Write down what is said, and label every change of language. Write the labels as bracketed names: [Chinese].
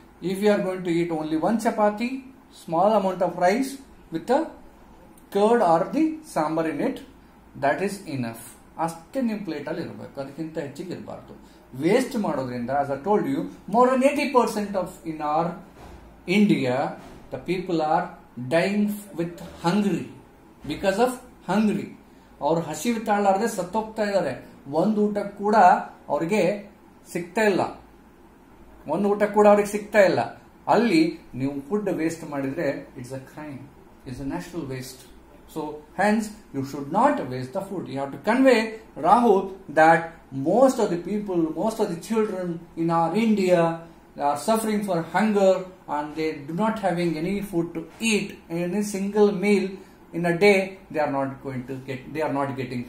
[English] if you are going to eat only one chapati, small amount of rice with the curd or the sambar in it, that is enough. [Kannada] ಅಷ್ಟೇ ನಿಮ್ plate ಅಲ್ಲಿ ಇರಬೇಕು, ಅದಕ್ಕಿಂತ ಹೆಚ್ಚಿಗೆ ಇರಬಾರ್ದು. Waste ಮಾಡೋದ್ರಿಂದ, [English] As a told you, more than 80% of in our India the people are dying with hungry, because of hungry. [Kannada] ಅವರು ಹಸಿವು ತಾಳಲಾರದೆ ಸತ್ತೋಗ್ತಾ ಇದ್ದಾರೆ. ಒಂದು ಊಟ ಕೂಡ ಅವರಿಗೆ ಸಿಗ್ತಾ ಇಲ್ಲ, ಒಂದು ಊಟ ಕೂಡ ಅವ್ರಿಗೆ ಸಿಗ್ತಾ ಇಲ್ಲ. ಅಲ್ಲಿ ನೀವು ಫುಡ್ ವೇಸ್ಟ್ ಮಾಡಿದ್ರೆ [English] It's a crime, it's a national waste. So hence you should not waste the food. You have to convey, Rahul, that most of the people, most of the children in our India are suffering for hunger and they do not having any food to eat. Any single meal in a day they are not going to get, they are not getting.